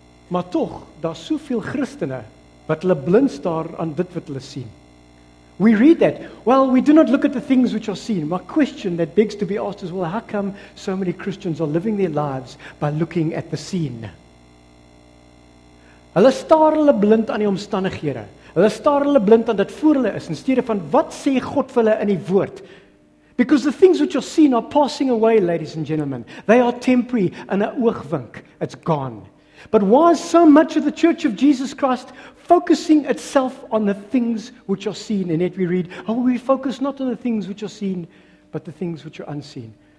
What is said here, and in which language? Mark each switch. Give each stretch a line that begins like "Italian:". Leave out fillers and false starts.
Afrikaans: Maar toch, daar is soveel Christene, wat hulle blind staar aan dit wat hulle sien.
English: We read that. Well, we do not look at the things which are seen. My question that begs to be asked is, well, how come so many Christians are living their lives by looking at the seen?
Afrikaans: Hulle staar hulle blind aan die omstandighede. Hulle staar hulle blind aan dat voor hulle is, in steede van wat sê God vir hulle in die woord.
English: Because the things which are seen are passing away, ladies and gentlemen. They are temporary,
Afrikaans: in 'n oogwink.
English: It's gone. But why is so much of the Church of Jesus Christ focusing itself on the things which are seen? And yet we read, oh, we focus not on the things which are seen, but the things which are unseen.